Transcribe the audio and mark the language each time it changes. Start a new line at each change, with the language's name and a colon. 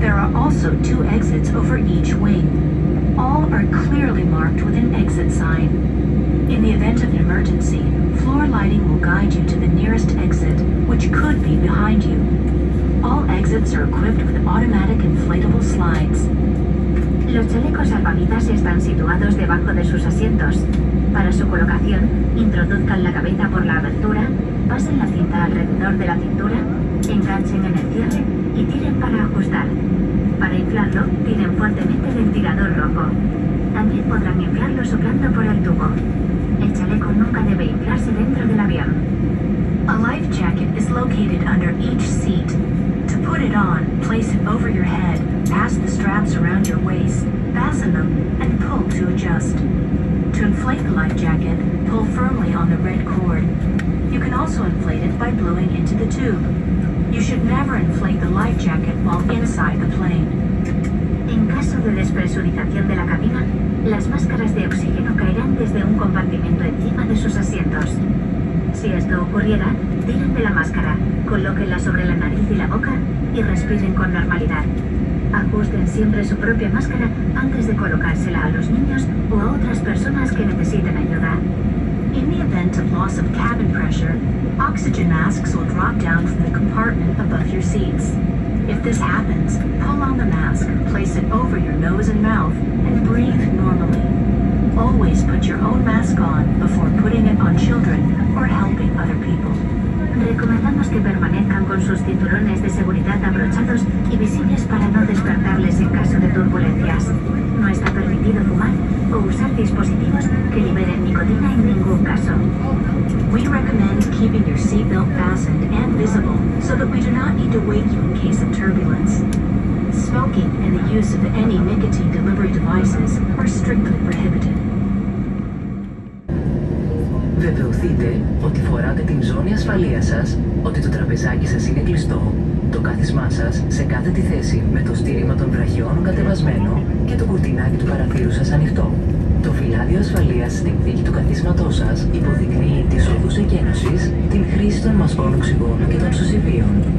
English: There are also two exits over each wing. All are clearly marked with an exit sign. In the event of an emergency, floor lighting will guide you to the nearest exit, which could be behind you. All exits are equipped with automatic inflatable slides.
Spanish: Los chalecos salvavidas están situados debajo de sus asientos. Para su colocación, introduzcan la cabeza por la abertura, pasen la cinta alrededor de la cintura, enganchen en el cierre y tiren para ajustar. Para inflarlo, tiren fuertemente el tirador rojo. También podrán inflarlo soplando por el tubo. El chaleco nunca debe inflarse dentro del avión.
English: A life jacket is located under each seat. To put it on, place it over your head, pass the straps around your waist, fasten them, and pull to adjust. To inflate the life jacket, pull firmly on the red cord. You can also inflate it by blowing into the tube. You should never inflate the life jacket while inside the plane.
Spanish: En caso de despresurización de la cabina, las máscaras de oxígeno caerán desde un compartimento encima de sus asientos. Si esto ocurriera, tiren de la máscara, colóquenla sobre la nariz y la boca y respiren con normalidad. Ajusten siempre su propia máscara antes de colocársela a los niños o a otras personas que necesiten ayuda.
English: In the event of loss of cabin pressure, oxygen masks will drop down from the compartment above your seats. If this happens, pull on the mask, place it over your nose and mouth, and breathe normally. Always put your own mask on before putting it on children or helping other people.
Spanish: Recomendamos que permanezcan con sus cinturones de seguridad abrochados y visibles para no despertarles en caso de turbulencias. No está permitido fumar o usar dispositivos que liberen nicotina en ningún caso.
English: We recommend keeping your seatbelt fastened and visible so that we do not need to wake you in case of turbulence. Smoking and the use of any nicotine delivery devices are strictly prohibited.
Greek: Βεβαιωθείτε ότι φοράτε την ζώνη ασφαλείας σας, ότι το τραπεζάκι σας είναι κλειστό, το κάθισμά σας σε κάθε τη θέση με το στήριγμα των βραχιών κατεβασμένο και το κουρτινάκι του παραθύρου σας ανοιχτό. Το φυλάδιο ασφαλείας στην θήκη του καθίσματός σας υποδεικνύει τις οδούς εκένωσης, την χρήση των μασκών οξυγόνου και των σωσιβίων.